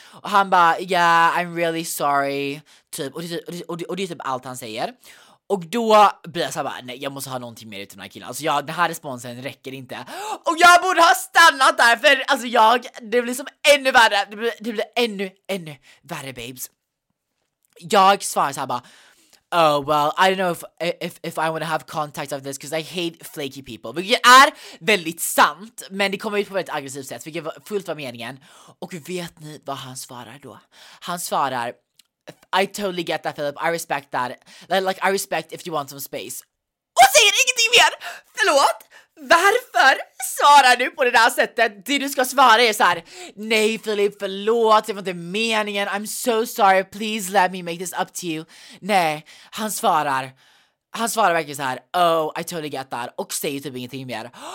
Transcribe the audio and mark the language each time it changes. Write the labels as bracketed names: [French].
[Swedish] Och han bara, [English] yeah, I'm really sorry, [Swedish] typ. Och det är typ allt han säger. Och då blir jag så bara, nej, jag måste ha någonting mer utav den här killen. Alltså jag, den här responsen räcker inte. Och jag borde ha stannat där, för alltså jag, det blir som ännu värre. Det blir ännu värre, babes. Jag svarar såhär bara, [English] oh well, I don't know if I want to have contact of this, because I hate flaky people. [Swedish] Vilket är väldigt sant, men det kommer ut på ett aggressivt sätt, vilket fullt var meningen. Och vet ni vad han svarar då? Han svarar, [English] I totally get that, Philip, I respect that. Like, I respect if you want some space. [Swedish] Och säger ingenting mer! Förlåt! Varför svarar du på det där sättet? Det du ska svara är så här, nej Philip, förlåt, det var inte meningen, [English] I'm so sorry, please let me make this up to you. [Swedish] Nej, han svarar verkligen så här, [English] oh, I totally get that, [Swedish] och säger typ ingenting mer.